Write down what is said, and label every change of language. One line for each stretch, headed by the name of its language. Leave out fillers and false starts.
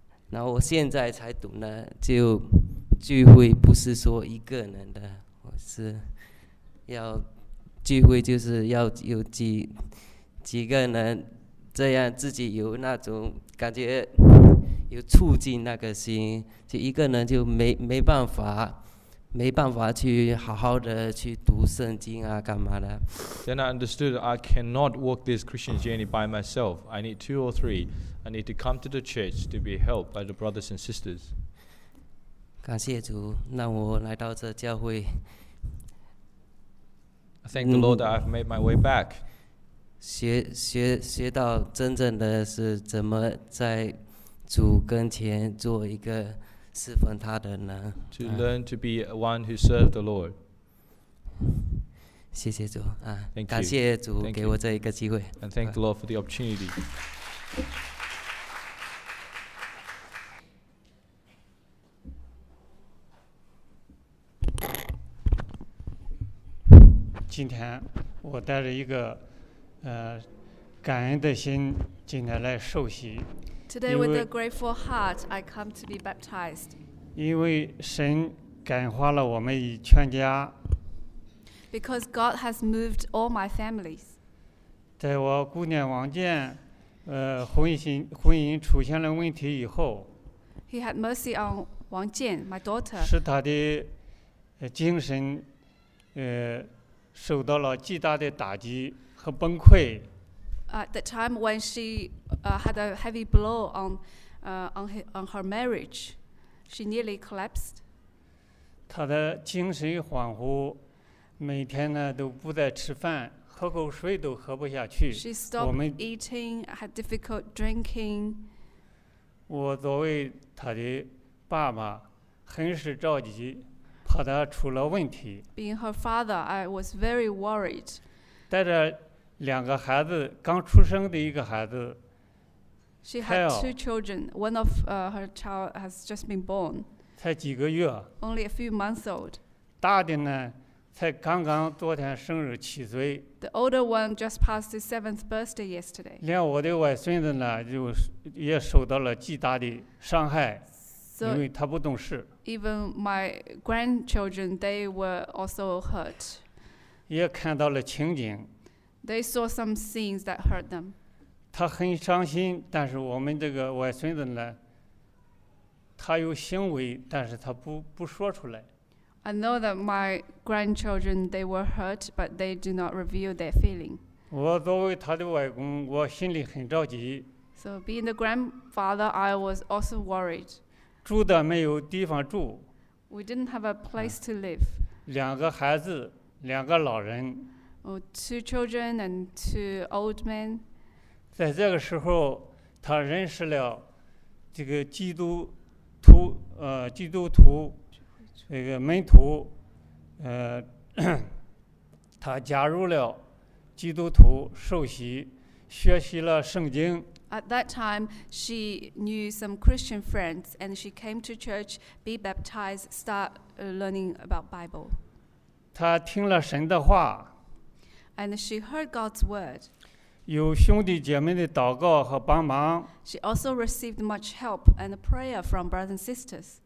Chinese: 然后我现在才懂得，就聚会不是说一个人的，我是要聚会就是要有几个人，这样自己有那种感觉，有促进那个心，就一个人就没办法去好好的去读圣经啊，干嘛的。
English: Then I understood I cannot walk this Christian journey by myself. I need two or three. I need to come to the church to be helped by the brothers and sisters.
Chinese: 感谢主，让我来到这教会。
English: I thank the Lord that I've made my way back.
Chinese: 学到真正的是怎么在主跟前做一个侍奉他的人。
English: To learn to be one who served the Lord.
Chinese: 谢谢主啊！
English: Thank you.
Chinese: 感谢主给我这一个机会。
English: And thank the Lord for the opportunity.
Chinese: 今天我带着一个感恩的心进来来受洗。
English: Today with a grateful heart, I come to be baptized.
Chinese: 因为神感化了我们一全家。
English: Because God has moved all my families.
Chinese: 在我姑娘王健，婚姻出现了问题以后。
English: He had mercy on Wang Jian, my daughter.
Chinese: 使她的精神，受到了极大的打击和崩溃。
English: At the time when she had a heavy blow on her marriage, she nearly collapsed.
Chinese: 她的精神恍惚，每天呢都不再吃饭，喝口水都喝不下去。
English: She stopped eating, had difficult drinking.
Chinese: 我作为她的爸爸，很是着急，怕她出了问题。
English: Being her father, I was very worried.
Chinese: 带着两个孩子刚出生的一个孩子
English: She had two children. One of her child has just been born.
Chinese: 才几个月
English: Only a few months old.
Chinese: 大的呢才刚刚昨天生日七岁
English: The older one just passed his seventh birthday yesterday.
Chinese: 连我的外孙子呢就也受到了极大的伤害
English: So,
Chinese: 因为他不懂事
English: Even my grandchildren, they were also hurt.
Chinese: 也看到了情景
English: They saw some scenes that hurt them.
Chinese: 他很伤心，但是我们这个外孙子呢，他有行为，但是他不说出来。
English: I know that my grandchildren they were hurt, but they do not reveal their feeling.
Chinese: 我作为他的外公，我心里很着急。
English: So being the grandfather, I was also worried.
Chinese: 住的没有地方住。
English: We didn't have a place to live.
Chinese: 两个孩子，两个老人。
English: Two children and two old men.
Chinese: 在这个时候，他认识了这个基督徒这个门徒，他加入了基督徒受洗，学习了圣经。
English: At that time, she knew some Christian friends, and she came to church, be baptized, start learning about Bible.
Chinese: 他听了神的话。
English: And she heard God's word.
Chinese: 有兄弟姐妹的祷告和帮忙。
English: She also received much help and prayer from brothers and sisters.